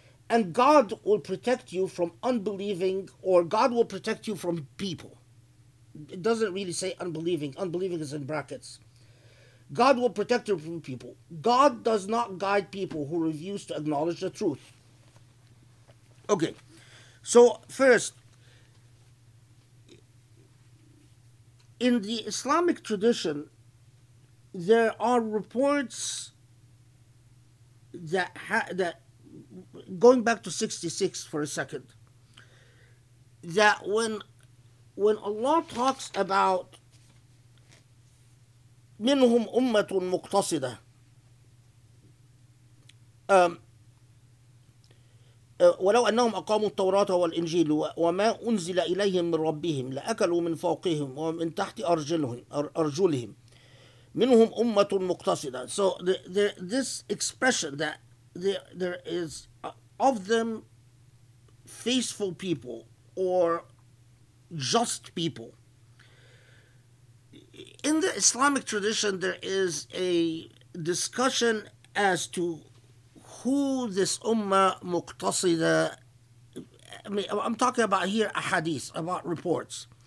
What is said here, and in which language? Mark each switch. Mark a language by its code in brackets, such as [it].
[en] And God will protect you from unbelieving, or God will protect you from people. It doesn't really say unbelieving. Unbelieving is in brackets. God will protect you from people. God does not guide people who refuse to acknowledge the truth. Okay. So first, in the Islamic tradition, there are reports that going back to 66 for a second, that when Allah talks about [ar] minhum ummatun muqtasida, ولو أنهم أقاموا التوراة والإنجيل وما أنزل إليهم من ربهم لأكلوا من فوقهم ومن تحت أرجلهم منهم أمة مقتصدة. [en] So this expression that there is of them faithful people or just people. In the Islamic tradition, there is a discussion as to who this ummah muqtasida, I'm talking about here a hadith, about reports.